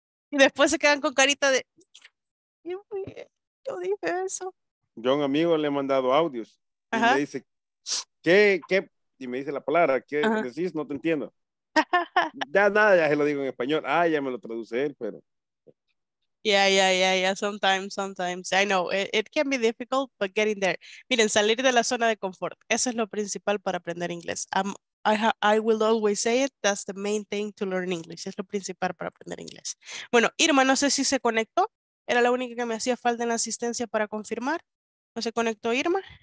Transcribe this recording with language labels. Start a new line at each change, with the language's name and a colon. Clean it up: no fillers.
Spanish: Y después se quedan con carita de, yo dije eso. Yo a un amigo le he mandado audios. Ajá. Y me dice, ¿qué? Y me dice la palabra, ¿qué decís? No te entiendo. Ya nada, ya se lo digo en español. Ah, ya me lo traduce él, pero...
English: Yeah, sometimes, I know, it can be difficult, but getting there.
Spanish: Miren, salir de la zona de confort, eso es lo principal para aprender inglés.
English: I will always say it, that's the main thing to learn English, es lo principal para aprender inglés.
Spanish: Bueno, Irma, no sé si se conectó, era la única que me hacía falta en la asistencia para confirmar, ¿no se conectó Irma?